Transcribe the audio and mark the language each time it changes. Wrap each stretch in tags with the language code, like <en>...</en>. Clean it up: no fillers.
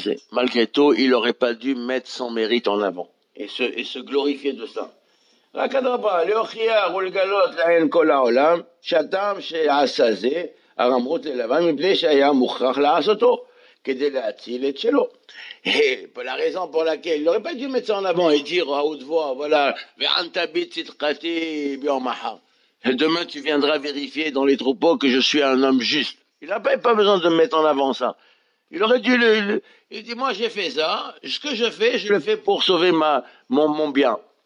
<fr>Malgré tout, il n'aurait pas dû mettre son mérite en avant et se glorifier de ça.</fr> <he>רק אדרבה, להוכיח ולגלות להן כל העולם, שאדם שעשה זה, הרמות ללבן, מפני שהיה מוכרח לעשותו, כדי להציל את שלו.</he> <fr>Pour la raison pour laquelle il n'aurait pas dû mettre ça en avant et dire à haute voix, voilà, demain tu viendras vérifier dans les troupeaux que je suis un homme juste. Il n'a pas besoin de mettre en avant ça. Il aurait dû il dit, moi j'ai fait ça, ce que je le fais pour sauver mon bien.</fr>